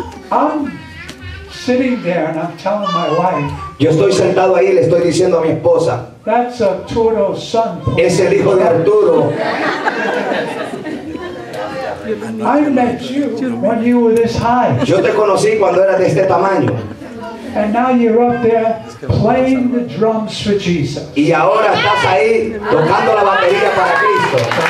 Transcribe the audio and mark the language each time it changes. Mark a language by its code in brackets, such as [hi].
[en] I'm sitting there and I'm telling my wife. [es] Yo estoy sentado ahí y le estoy diciendo a mi esposa. [en] That's Arturo's son. [es] Es el hijo de Arturo. [en] I met you when you were this high. [es] Yo te conocí cuando eras de este tamaño. [en] And now you're up there playing the drums for Jesus. [es] Y ahora estás ahí tocando la batería para Cristo.